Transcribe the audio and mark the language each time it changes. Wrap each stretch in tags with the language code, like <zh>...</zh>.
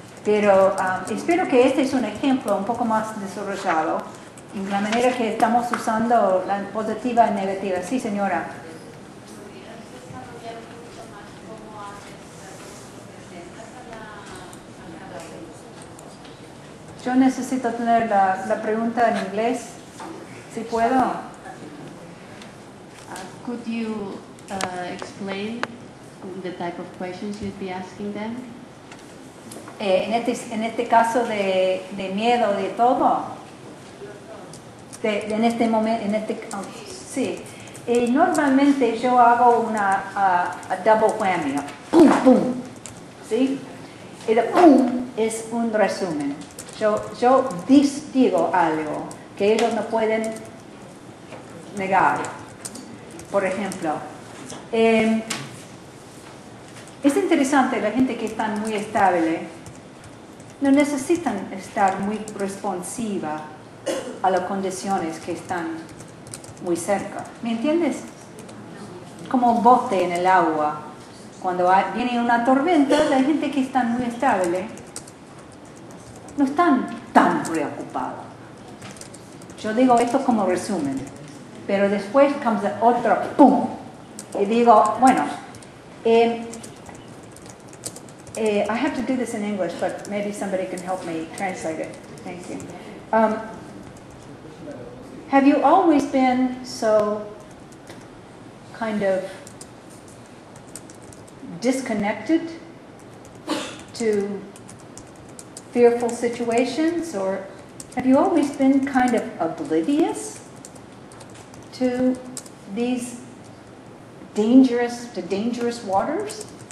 <es>Pero espero que este es un ejemplo un poco más desarrollado en la manera que estamos usando la positiva y negativa. Sí, señora. Yo necesito tener la pregunta en inglés, si puedo.</es> <en>Could you explain the type of questions you'd be asking them?</en> <es>En este caso de miedo de todo, en este momento, sí. Y normalmente yo hago una</es> <en>a double whammy,</en> <es>pum pum, sí. Y el pum es un resumen. Yo digo algo que ellos no pueden negar. Por ejemplo. Es interesante, la gente que está muy estable no necesitan estar muy responsiva a las condiciones que están muy cerca. ¿Me entiendes? Como un bote en el agua. Cuando viene una tormenta, la gente que está muy estable no están tan preocupados. Yo digo esto como resumen, pero después comes otro pum. Y digo, bueno,</es> <en>I have to do this in English, but maybe somebody can help me translate it. Thank you. Have you always been so kind of disconnected to fearful situations, or have you always been kind of oblivious to these dangerous waters?</en>